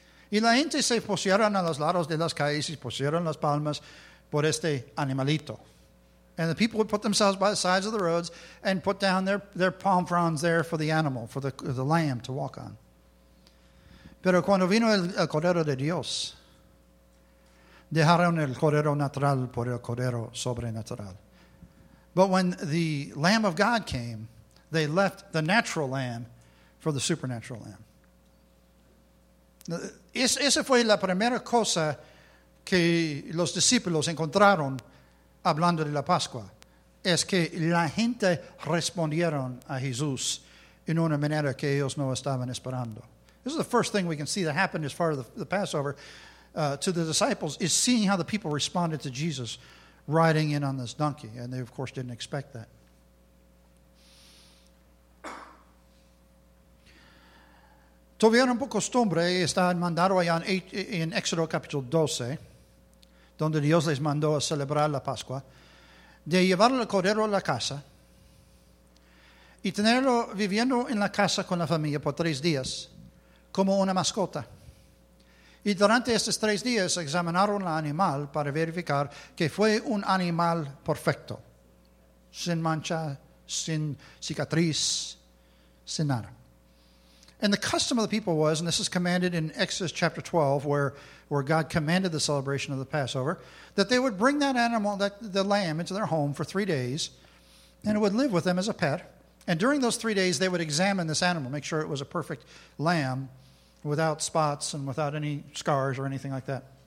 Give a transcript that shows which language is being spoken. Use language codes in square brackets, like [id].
[es] Y la gente se pusieron a los lados de las calles y pusieron las palmas por este animalito. [en] And the people would put themselves by the sides of the roads and put down their palm fronds there for the animal, for the lamb to walk on. [es] Pero cuando vino el Cordero de Dios, dejaron el Cordero natural por el Cordero sobrenatural. [en] But when the Lamb of God came, they left the natural lamb for the supernatural lamb. [es] Esa fue la primera cosa que los discípulos encontraron hablando de la Pascua. Es que la gente respondieron a Jesús en una manera que ellos no estaban esperando. [en] This is the first thing we can see that happened as far as the Passover. To the disciples is seeing how the people responded to Jesus riding in on this donkey. And they, of course, didn't expect that. [es] Tuvieron por costumbre estar mandado allá en Éxodo capítulo 12, donde Dios les mandó a celebrar la Pascua, de llevar el cordero a la casa y tenerlo viviendo en la casa con la familia por 3 días como una mascota. Y durante estos 3 días examinaron al animal para verificar que fue un animal perfecto, sin mancha, sin cicatriz, sin nada. [en] And the custom of the people was, and this is commanded in Exodus chapter 12, where God commanded the celebration of the Passover, that they would bring that animal, the lamb, into their home for 3 days, and it would live with them as a pet. And during those 3 days, they would examine this animal, make sure it was a perfect lamb, without spots and without any scars or anything like that.